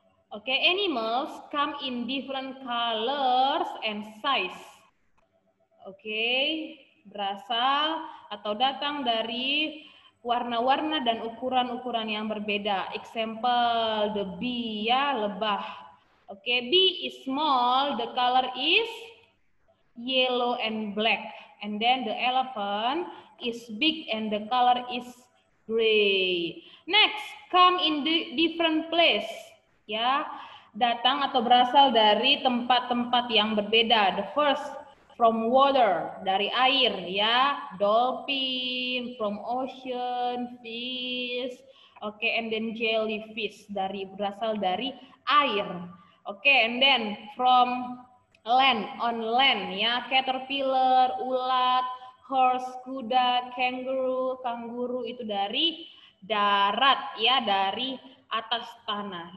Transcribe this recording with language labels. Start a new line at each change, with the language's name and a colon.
English: Okay, animals come in different colors and size.
Indonesian: Okay, berasal atau datang dari warna-warna dan ukuran-ukuran yang berbeda.
English: Example, the bee, ya, lebah. Okay, bee is small, the color is yellow and black. And then the elephant is big and the color is gray. Next, come in the different place.
Indonesian: Ya, datang atau berasal dari tempat-tempat yang berbeda.
English: The first, from water,
Indonesian: dari air,
English: ya. Dolphin, from ocean, fish. Okay, and then jellyfish,
Indonesian: dari berasal dari air.
English: Okay, and then from land, on land, ya.
Indonesian: Caterpillar, ulat, horse, kuda, kanguru, itu dari darat, ya, dari atas tanah.